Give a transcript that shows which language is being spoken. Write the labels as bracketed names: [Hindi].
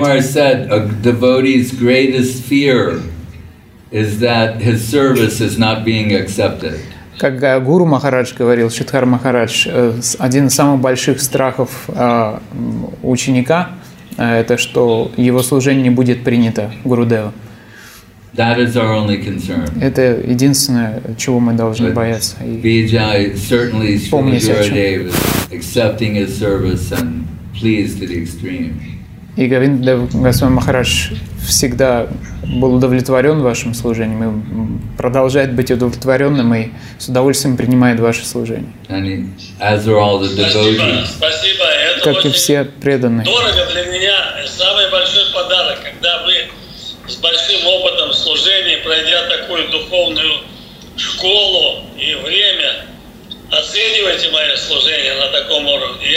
[English] Guru said a devotee's greatest fear is that his service is not being accepted. [Russian] Как Гуру Махарадж говорил, Шридхар Махарадж, один из самых больших страхов ученика это что его служение не будет принято Гурудева. [English] That is our only concern. [Russian] Это единственное, чего мы должны бояться. [English] Vijay certainly Srila Gurudev is accepting his service and pleased to the extreme. [Russian] И Говиндадев Госвами Махарадж всегда был удовлетворен вашим служением и продолжает быть удовлетворенным и с удовольствием принимает ваше служение. [English] And as are all the devotees. [Russian] Спасибо. Как и все преданные. Дорого для меня самый большой подарок, когда вы с большим опытом служения, пройдя такую духовную школу и время, оцениваете мое служение на таком уровне.